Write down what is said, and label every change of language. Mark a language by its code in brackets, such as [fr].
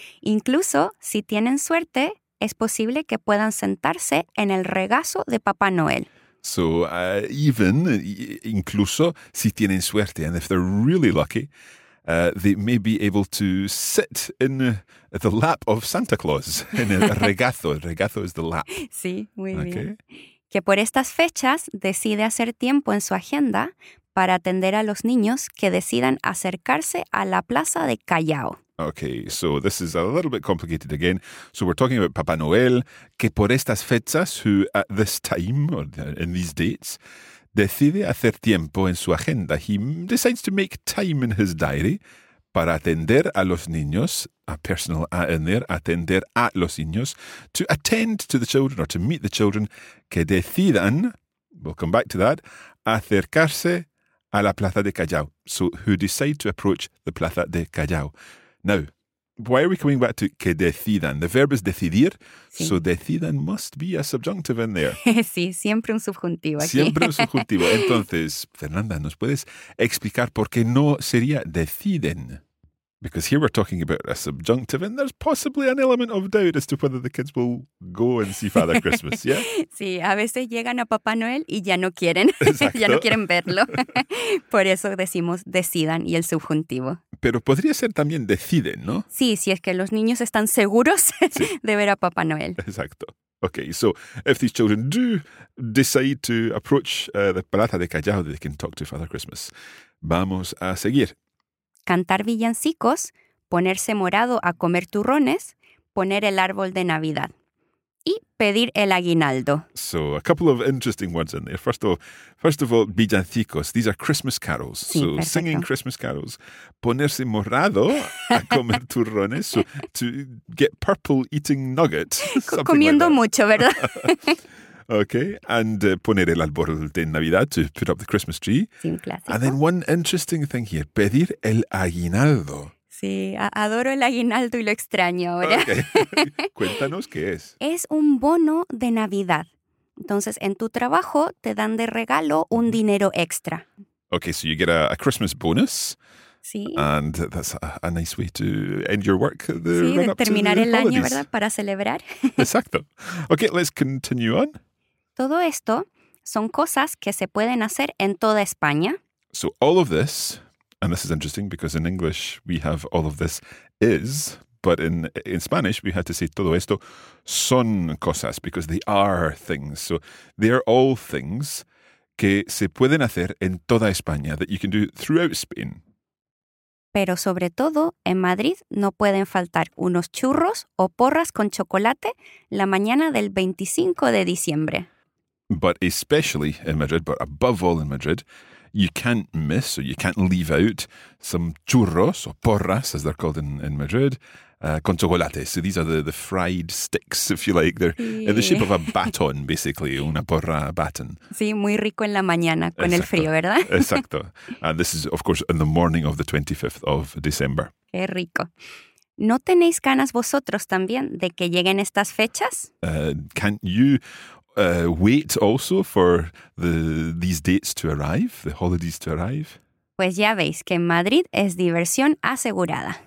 [es] Incluso, si tienen suerte, es posible que puedan sentarse en el regazo de Papá Noel. [en] So [es] incluso, si tienen suerte, [en] and if they're really lucky, they may be able to sit in the lap of Santa Claus, in [es] el regazo. El regazo [en] is the lap. [es] Sí, muy okay. Bien. Que por estas fechas decide hacer tiempo en su agenda para atender a los niños que decidan acercarse a la Plaza de Callao. [en] Okay, so this is a little bit complicated again. So we're talking about Papá Noel, [es] que por estas fechas, [en] who at this time, or in these dates, [es] decide hacer tiempo en su agenda. [en] He decides to make time in his diary [es] para atender a los niños, [en] a personal a in there, [es] atender a los niños, [en] to attend to the children or to meet the children [es] que decidan, [en] we'll come back to that, [es] acercarse a la Plaza de Callao. [en] So who decide to approach the Plaza de Callao. Now, why are we coming back to [es] que decidan? [en] The verb is decidir, sí. So decidan must be a subjunctive in there. [es] Sí, siempre un subjuntivo aquí. Siempre un subjuntivo. Entonces, Fernanda, ¿nos puedes explicar por qué no sería deciden? [en] Because here we're talking about a subjunctive and there's possibly an element of doubt as to whether the kids will go and see Father Christmas, yeah? [es] Sí, a veces llegan a Papá Noel y ya no quieren. Ya no quieren verlo. Por eso decimos decidan y el subjuntivo. Pero podría ser también deciden, ¿no? Sí, si es que los niños están seguros de ver a Papá Noel. Exacto. [en] Okay, so if these children do decide to approach the Plaza de Callao, they can talk to Father Christmas. [es] Vamos a seguir. Cantar villancicos, ponerse morado a comer turrones, poner el árbol de Navidad y pedir el aguinaldo. [en] So, a couple of interesting words in there. First of all, villancicos. These are Christmas carols. [es] Sí, perfecto. [en] Singing Christmas carols. [es] Ponerse morado a comer turrones. [en] So, to get purple eating nuggets. [es] Comiendo [en] like [es] mucho, ¿verdad? [en] Okay, and [es] poner el árbol de Navidad [en] to put up the Christmas tree. [es] Sí, un clásico. [en] And then one interesting thing here, [es] pedir el aguinaldo. Sí, adoro el aguinaldo y lo extraño ahora. Okay. Cuéntanos qué es. Es un bono de Navidad. Entonces, en tu trabajo te dan de regalo un dinero extra. [en] Okay, so you get a Christmas bonus. [es] Sí. [en] And that's a nice way to end your work. The [es] sí, [en] run up [es] de terminar [en] to the [es] el [en] holidays. [es] Año, ¿verdad? Para celebrar. Exacto. [en] Okay, let's continue on. [es] Todo esto son cosas que se pueden hacer en toda España. [en] So all of this, and this is interesting because in English we have all of this is, but in Spanish we had to say [es] todo esto son cosas [en] because they are things. So they are all things [es] que se pueden hacer en toda España [en] that you can do throughout Spain. [es] Pero sobre todo, en Madrid no pueden faltar unos churros o porras con chocolate la mañana del 25 de diciembre. [en] But especially in Madrid, but above all in Madrid, you can't miss or you can't leave out some churros or porras, as they're called in Madrid, [es] con chocolate. [en] So these are the fried sticks, if you like. They're in the shape of a baton, basically, una porra baton. [es] Sí, muy rico en la mañana, con el frío, ¿verdad? Exacto. [en] And this is, of course, in the morning of the 25th of December. [es] Qué rico. ¿No tenéis ganas vosotros también de que lleguen estas fechas? [en] Can't you wait also for these dates to arrive, the holidays to arrive? [es] Pues ya veis que Madrid es diversión asegurada.